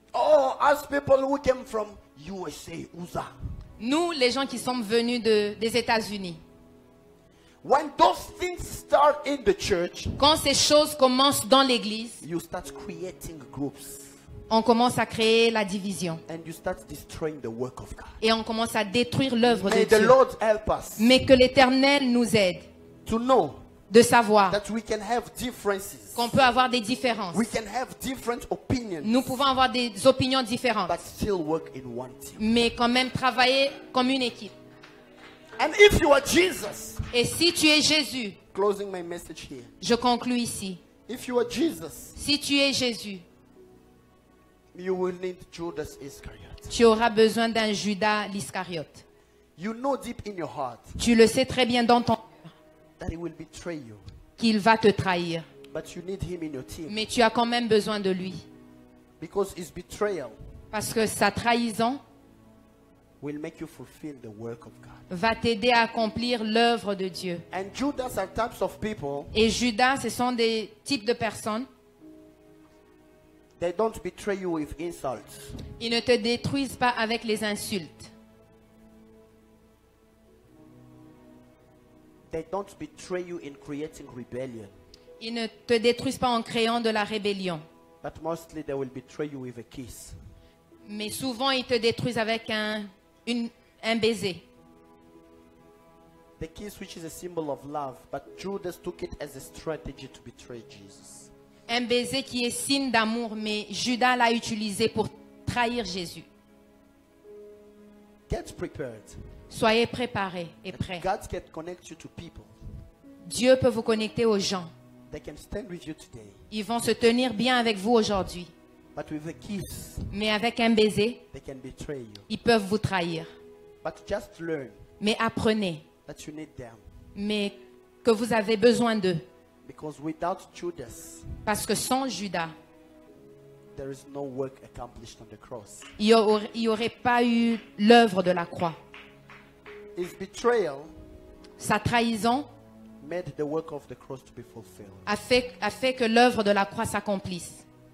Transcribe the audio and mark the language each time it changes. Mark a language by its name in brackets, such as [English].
[English] Oh, as people who came from USA, USA. [French] Nous, les gens qui sommes venus de, des États-Unis. When those things start in the church, quand ces choses commencent dans l'église, you start creating groups. On commence à créer la division. And you start destroying the work of God. Et on commence à détruire l'œuvre de Dieu. [English] The Lord help us. [French] Mais que l'Éternel nous aide. [English] To know. [French] De savoir [English] that we can have differences. [French] Qu'on peut avoir des différences. [English] We can have different opinions. [French] Nous pouvons avoir des opinions différentes. [English] But still work in one team. [French] Mais quand même travailler comme une équipe. [English] And if you are Jesus, [French] et si tu es Jésus, [English] closing my message here, [French] je conclue ici. [English] If you are Jesus, [French] si tu es Jésus, [English] you will need Judas Iscariot. [French] Tu auras besoin d'un Judas l'Iscariote. [English] You know deep in your heart, [French] tu le sais très bien dans ton cœur. [English] That he will betray you. [French] Qu'il va te trahir. [English] But you need him in your team. [French] Mais tu as quand même besoin de lui. [English] Because his betrayal. [French] Parce que sa trahison. [English] Will make you fulfill the work of God. [French] Va t'aider à accomplir l'œuvre de Dieu. [English] And Judas are types of people. [French] Et Judas, ce sont des types de personnes. [English] They don't betray you with insults. [French] Ils ne te détruisent pas avec les insultes. [English] They don't betray you in creating rebellion. [French] Ils ne te détruisent pas en créant de la rébellion. [English] But mostly they will betray you with a kiss. [French] Mais souvent ils te détruisent avec un baiser. [English] The kiss which is a symbol of love, but Judas took it as a strategy to betray Jesus. [French] Un baiser qui est signe d'amour, mais Judas l'a utilisé pour trahir Jésus. [English] Get prepared. [French] Soyez préparés et prêts. [English] God can connect you to people. [French] Dieu peut vous connecter aux gens. [English] They can stand with you today. [French] Ils vont se tenir bien avec vous aujourd'hui. [English] But with a kiss, [French] mais avec un baiser, [English] they can betray you. [French] Ils peuvent vous trahir. [English] But just learn, [French] mais apprenez [English] that you need them. [French] Mais que vous avez besoin d'eux. [English] Because without Judas, [French] parce que sans Judas, [English] there is no work accomplished on the cross. [French] Il n'y aurait pas eu l'œuvre de la croix. [English] His betrayal, [French] sa trahison, [English] made the work of the cross to be fulfilled. [French] A fait que l'œuvre de la croix s'accomplisse.